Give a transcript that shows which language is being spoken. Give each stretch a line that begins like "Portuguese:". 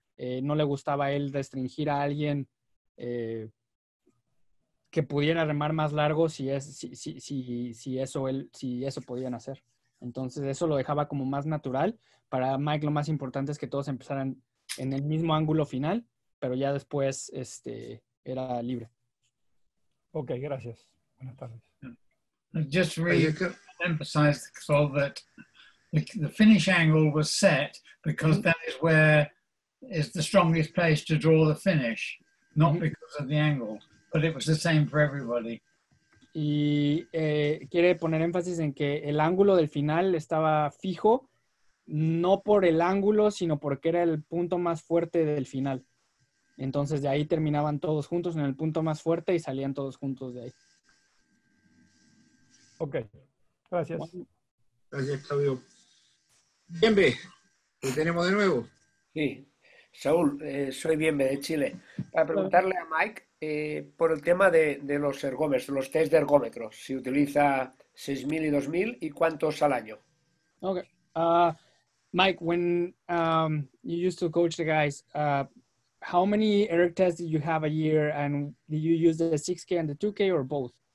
Spanish: No le gustaba a él restringir a alguien que pudiera remar más largo si eso podían hacer. Entonces eso lo dejaba como más natural. Para Mike lo más importante es que todos empezaran en el mismo ángulo final, pero ya después era libre. Ok, gracias. Buenas tardes.
English: Just really emphasize that the finish angle was set because that is where is the strongest place to draw the finish, not because of the angle, but it was the same for everybody.
Spanish: Y quiere poner énfasis en que el ángulo del final estaba fijo, no por el ángulo, sino porque era el punto más fuerte del final. Entonces de ahí terminaban todos juntos en el punto más fuerte y salían todos juntos de ahí. Ok, gracias. Gracias, Claudio. Bienve, te tenemos de nuevo. Sí, Saúl, soy Bienve de Chile. Para preguntarle a Mike por el tema de los ergómetros, los test de ergómetros, si utiliza 6.000 y 2.000 y cuántos al año. Ok.
English: Mike, when you used to coach the guys, how many erg tests did you have a year, and did you use the 6K and the 2K or both?